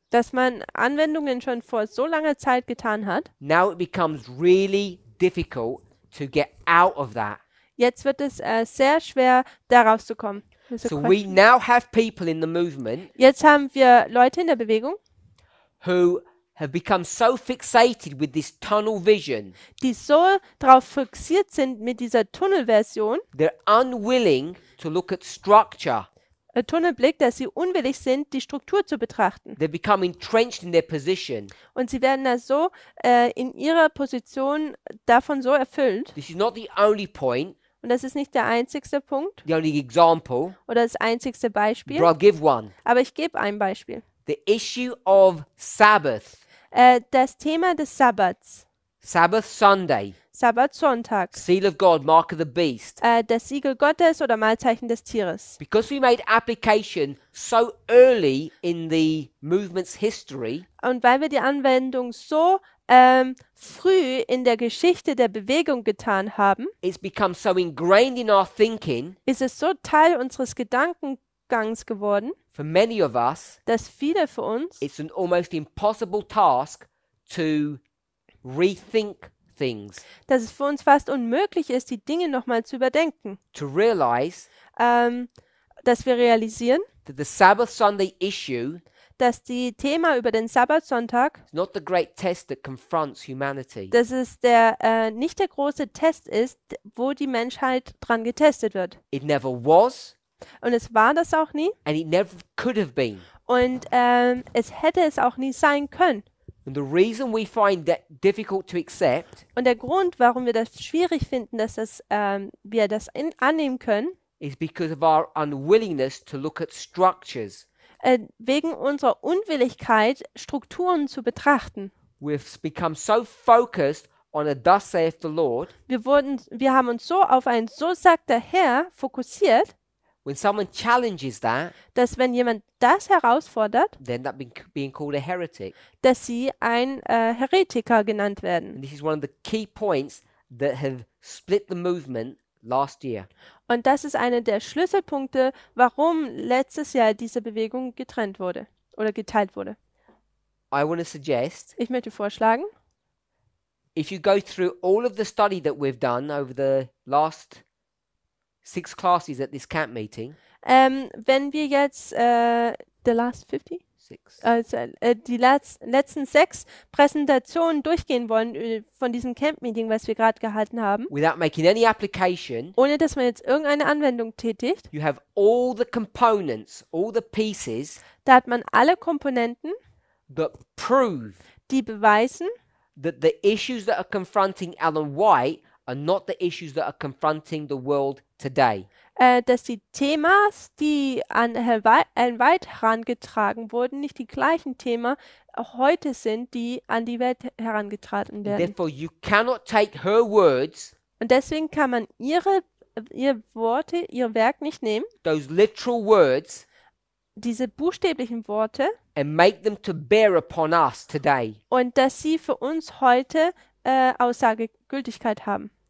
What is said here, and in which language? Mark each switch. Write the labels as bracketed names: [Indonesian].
[German] Dass man Anwendungen schon vor so langer Zeit getan hat. [English] Now it becomes really difficult to get out of that. [German] Jetzt wird es sehr schwer, daraus zu kommen. [English] So we now have people in the movement [German] Jetzt haben wir Leute in der Bewegung, [English] who have become so fixated with this tunnel vision. [German] die so darauf fixiert sind mit dieser Tunnelversion, [English] They're unwilling to look at structure. [German] Tunnelblick, dass sie unwillig sind, die Struktur zu betrachten. [English] They become entrenched in their position. [German] Und sie werden da so in ihrer Position davon so erfüllt. [English] This is not the only point. [German] Und das ist nicht der einzigste Punkt [English] The only example. [German] oder das einzigste Beispiel, [English] But I'll give one. [German] aber ich gebe ein Beispiel. [English] The issue of Sabbath. [German] Das Thema des Sabbats, [English] Sabbath Sunday. [German] Sabbatsonntag, [English] Seal of God, Mark of the Beast. [German] Das Siegel Gottes oder Malzeichen des Tieres. [English] Because we made application so early in the movement's history. [German] Und weil wir die Anwendung so früh in der Geschichte der Bewegung getan haben, [English] It's become so ingrained in our thinking. [German] ist es so Teil unseres Gedankengangs geworden, [English] For many of us, [German] dass viele von uns [English] it's an almost impossible task to rethink things. [German] dass es für uns fast unmöglich ist, die Dinge nochmal zu überdenken. [English] To realize [German] Dass wir realisieren, [English] that the Sabbath Sunday issue [German] dass die Thema über den Sabbatsonntag, [English] is not the great test that confronts humanity. [German] dass es nicht der große Test ist, wo die Menschheit dran getestet wird. [English] It never was. [German] Und es war das auch nie. [English] And it never could have been. [German] Und es hätte es auch nie sein können. [English] And the reason we find that difficult to accept [German] Und der Grund, warum wir das schwierig finden, dass wir das annehmen können, [English] is because of our unwillingness to look at structures. [German] wegen unserer Unwilligkeit, Strukturen zu betrachten. [English] We've become so focused on a thus saith the Lord. [German] Wir haben uns so auf ein so sagt der Herr fokussiert, [English] When someone challenges that, [German] dass wenn jemand das herausfordert, [English] then that being called a heretic. [German] dass sie ein Heretiker genannt werden. [English] And this is one of the key points that have split the movement last year. [German] Und das ist einer der Schlüsselpunkte, warum letztes Jahr diese Bewegung getrennt wurde oder geteilt wurde. [English] I want to suggest, [German] Ich möchte vorschlagen, [English] if you go through all of the study that we've done over the last six classes at this camp meeting. [German] Wenn wir jetzt [English] the last 50, Six. [German] also die letzten sechs Präsentationen durchgehen wollen von diesem Camp Meeting, was wir gerade gehalten haben, [English] Without making any application, [German] ohne dass man jetzt irgendeine Anwendung tätigt, [English] you have all the components, all the pieces, [German] da hat man alle Komponenten, [English] that prove [German] die beweisen, [English] that the issues that are confronting Ellen White and not the issues that are confronting the world today. [German] Dass die Themas, die an ein weit herangetragen wurden, nicht die gleichen Themen heute sind, die an die Welt herangetragen werden. [English] Therefore you cannot take her words, [German] und deswegen kann man ihr Worte, ihr Werk nicht nehmen, [English] those literal words, [German] diese buchstäblichen Worte, [English] and make them to bear upon us today. [German] Und dass sie für uns heute Aussagegültigkeit haben.